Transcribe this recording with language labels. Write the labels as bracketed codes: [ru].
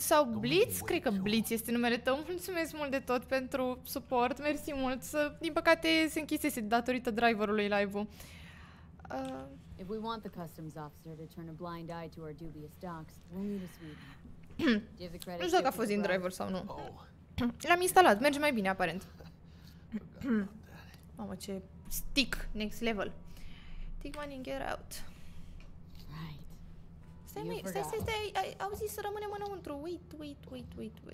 [ro] Sau Blitz, cred că Blitz este numele tău. Mulțumesc mult de tot pentru suport. Mersi mult. Din păcate se închisese datorită driverului live-ul. [en] If we want the customs officer to turn a blind eye to our dubious docs, we'll need a sweep. [ro] Nu știu dacă a fost din driver sau nu. L-am instalat. Merge mai bine, aparent. Mamă, ce [en] stick, next level. Take money and get out. Right. [ro] Stai, au zis să rămânem înăuntru. [en] Wait.